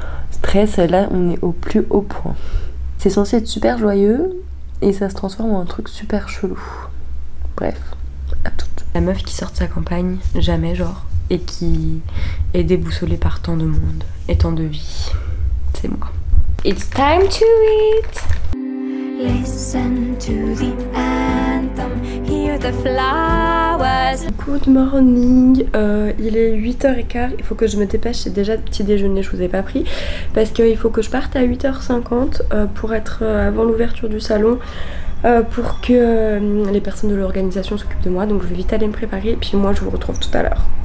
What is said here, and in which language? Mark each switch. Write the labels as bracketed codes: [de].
[fr] Stress, là on est au plus haut point. C'est censé être super joyeux et ça se transforme en un truc super chelou. Bref, à toutes. La meuf qui sort de sa campagne, jamais genre, et qui est déboussolée par tant de monde et tant de vie, c'est moi. [en] It's time to eat! Listen to the anthem, hear the flowers. Good morning, [fr] il est 8h15, il faut que je me dépêche, c'est déjà petit déjeuner, je vous ai pas pris. Parce qu'il faut que je parte à 8h50 pour être avant l'ouverture du salon. pour que les personnes de l'organisation s'occupent de moi. Donc je vais vite aller me préparer, puis moi je vous retrouve tout à l'heure.